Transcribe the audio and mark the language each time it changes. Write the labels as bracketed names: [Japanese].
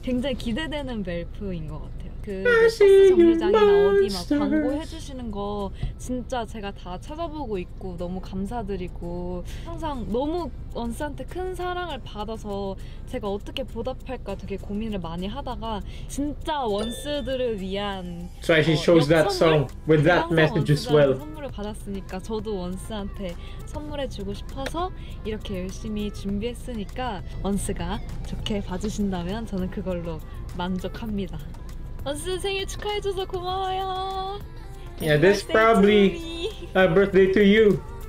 [Korean] 굉장히 기대되는 벨프인 것 같아요. 그 버스 정류장이나 어디 막 광고 해주시는 거 진짜 제가 다 찾아보고 있고 너무 감사드리고 항상 너무 원스한테 큰 사랑을 받아서 제가 어떻게 보답할까 되게 고민을 많이 하다가 진짜 원스들을 위한 [English] So I chose that song with that message as well. [Korean] 선물을 받았으니까 저도 원스한테 선물해주고 싶어서 이렇게 열심히 준비했으니까 원스가 좋게 봐주신다면 저는 그걸로 만족합니다. 원스 생일 축하해줘서 고마워요. [English] Yeah, this is probably a birthday to you.